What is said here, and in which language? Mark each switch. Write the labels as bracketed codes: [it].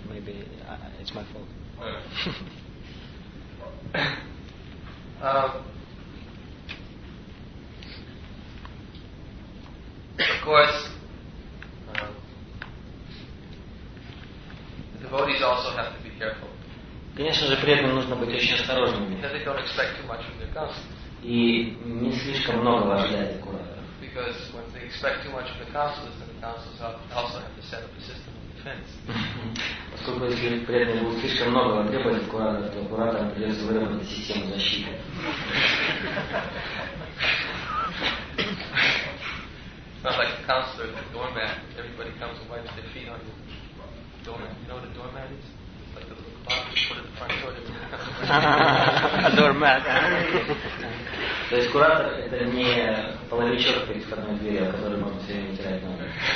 [en] Maybe it's my fault. Of course, the devotees also have to be careful. [ru] Конечно же, при этом нужно быть очень осторожными. [en] They don't expect too much from their counselors. [ru] И не слишком много ожидать от кураторов. [en] Because when they expect too much from the counselors, then the counselors also have to set up a system of defense. [ru] Поскольку если при этом будет слишком много требовать от кураторов, то кураторам придется выработать систему защиты. [en] Not like a counselor, the doormat. Everybody comes and wipes their feet on the doormat. You know what a doormat is? Like the little box you put at the front door. A doormat. [ru] То есть куратор это не половичок перед входной дверью, а который можно все время терять номер.